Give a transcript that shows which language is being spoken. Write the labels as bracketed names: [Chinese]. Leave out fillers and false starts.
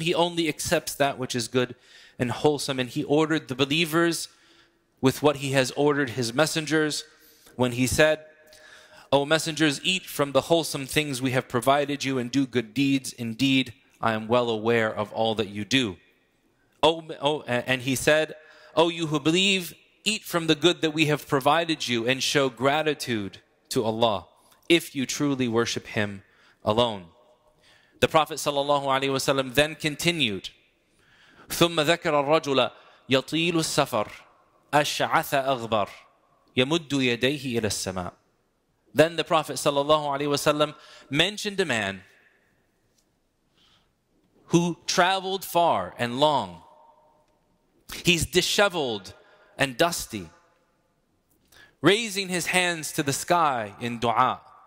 [English] He only accepts that which is good and wholesome. And He ordered the believers with what He has ordered His messengers when He said, O messengers, eat from the wholesome things we have provided you and do good deeds. Indeed, I am well aware of all that you do. And He said, O you who believe, eat from the good that we have provided you and show gratitude to Allah if you truly worship Him alone. The Prophet sallallahu alaihi wasallam then continued, [Arabic] ثُمَّ ذَكَرَ الرَّجُلَ يَطِيلُ السَّفَرَ أَشْعَثَ أَغْبَرَ يَمُدُّ يَدَيْهِ إِلَى السَّمَاءِ. [English] Then the Prophet sallallahu alaihi wasallam mentioned a man who traveled far and long. He's disheveled and dusty, raising his hands to the sky in dua.